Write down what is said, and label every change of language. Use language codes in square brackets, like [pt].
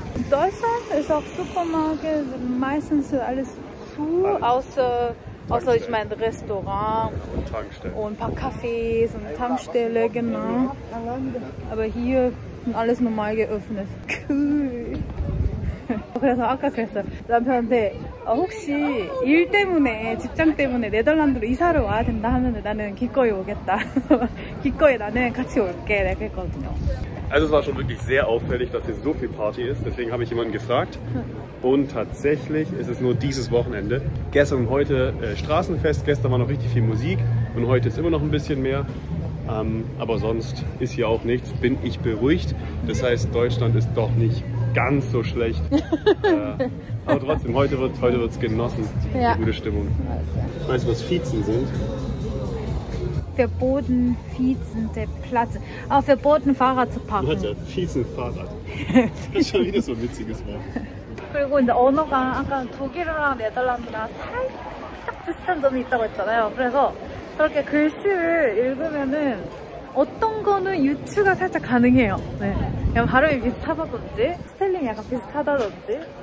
[de] In Deutschland ist auch Supermarkt meistens alles zu, außer ich meine Restaurant und Tankstelle und ein paar Cafés und Tankstelle, genau. Aber hier und alles normal geöffnet. [ko] Cool. 그래서 아까 그랬어. 남편한테 혹시 일 때문에, 직장 때문에 네덜란드로 이사를 와야 된다 하면 나는 기꺼이 오겠다. 기꺼이 나는 같이 올게. 내가 그랬거든요. [de] Also es war schon wirklich sehr auffällig, dass hier so viel Party ist. Deswegen habe ich jemanden gefragt. Und tatsächlich ist es nur dieses Wochenende. Gestern und heute Straßenfest. Gestern war noch richtig viel Musik. Und heute ist immer noch ein bisschen mehr. Aber sonst ist hier auch nichts. Bin ich beruhigt. Das heißt, Deutschland ist doch nicht ganz so schlecht. Aber trotzdem, heute wird's genossen. Ja. Eine gute Stimmung. Also. Weißt du, was Fietzen sind? Verboten, fietzende Platz. Auch verboten, Fahrrad zu parken. Leute, fietzen Fahrrad. Das ist schon wieder so ein witziges Wort. [ko] 그리고 이제 언어가 아까 독일어랑 네덜란드랑 살짝 비슷한 점이 있다고 했잖아요. 그래서 그렇게 글씨를 읽으면은 어떤 거는 유추가 살짝 가능해요. 네. 그냥 발음이 비슷하다든지, 스펠링이 약간 비슷하다든지.